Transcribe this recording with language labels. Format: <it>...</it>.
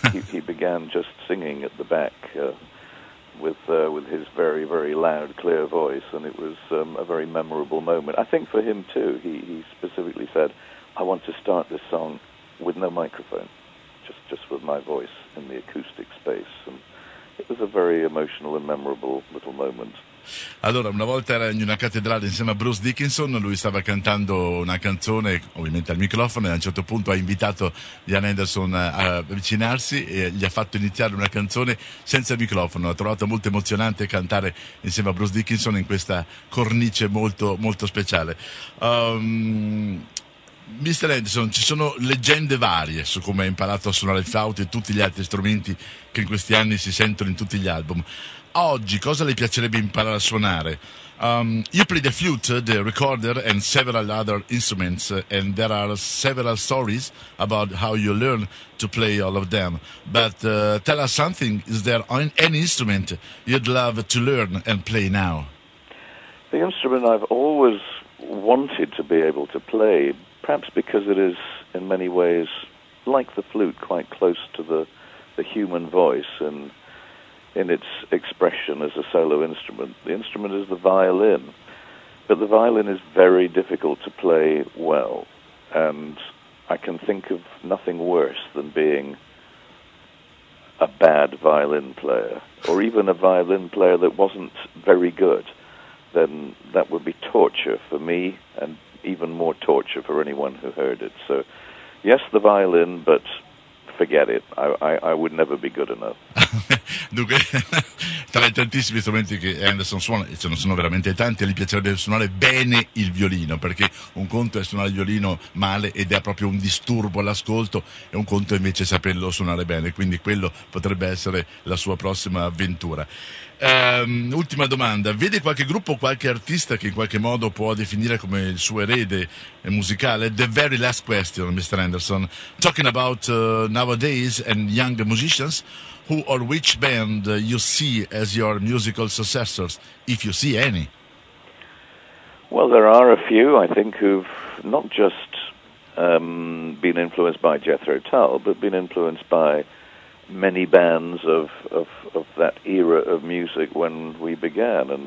<en>he began just singing at the back with his very, very loud, clear voice, and it was a very memorable moment. I think for him, too, he specifically said, I want to start this song with no microphone, just with my voice in the acoustic space. And it was a very emotional and memorable little moment.</en> <it>Allora, una volta era in una cattedrale insieme a Bruce Dickinson, lui stava cantando una canzone, ovviamente al microfono, e a un certo punto ha invitato Ian Anderson a avvicinarsi e gli ha fatto iniziare una canzone senza microfono. Ha trovato molto emozionante cantare insieme a Bruce Dickinson in questa cornice molto, molto speciale. Mr. Anderson, ci sono leggende varie su come ha imparato a suonare il flauto e tutti gli altri strumenti che in questi anni si sentono in tutti gli album. Oggi, cosa le piacerebbe imparare a suonare?</it> <en>You play the flute, the recorder, and several other instruments, and there are several stories about how you learn to play all of them. But tell us something, is there any instrument you'd love to learn and play now? The instrument I've always wanted to be able to play, perhaps because it is, in many ways, like the flute, quite close to the human voice, and in its expression as a solo instrument. The instrument is the violin, but the violin is very difficult to play well, and I can think of nothing worse than being a bad violin player, or even a violin player that wasn't very good. Then that would be torture for me, and even more torture for anyone who heard it. So, yes, the violin, but forget it. I would never be good enough.</en> <it>Dunque, tra i tantissimi strumenti che Anderson suona, e ce ne sono veramente tanti, gli piacerebbe suonare bene il violino, perché un conto è suonare il violino male ed è proprio un disturbo all'ascolto, e un conto invece è saperlo suonare bene, quindi quello potrebbe essere la sua prossima avventura. Ultima domanda, vede qualche gruppo, qualche artista che in qualche modo può definire come il suo erede musicale?</it> <en>The very last question, Mr. Anderson, talking about nowadays and young musicians, who or which band you see as your musical successors, if you see any? Well, there are a few, I think, who've not just been influenced by Jethro Tull, but been influenced by many bands of that era of music when we began.</en>